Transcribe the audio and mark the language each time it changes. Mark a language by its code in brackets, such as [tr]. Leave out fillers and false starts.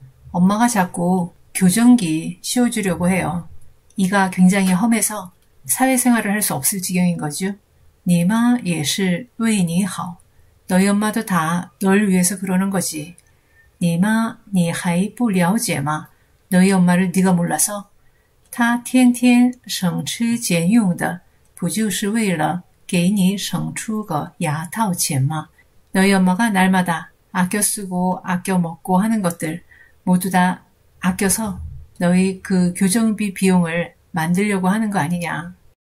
[ko] 엄마가 자꾸 교정기 씌워주려고 해요. 이가 굉장히 험해서 사회생활을 할 수 없을 지경인 거죠. [zh] 니마也是为你好. [ko] 너희 엄마도 다 널 위해서 그러는 거지. [zh] 니마你还不了解吗? [ko] 너희 엄마를 네가 몰라서? [zh] 她天天省吃俭用的不就是为了给你省出个牙套钱吗? [ko] 너희 엄마가 날마다 아껴 쓰고 아껴 먹고 하는 것들 모두 다 아껴서 너희 그 교정비 비용을 만들려고 하는 거 아니냐.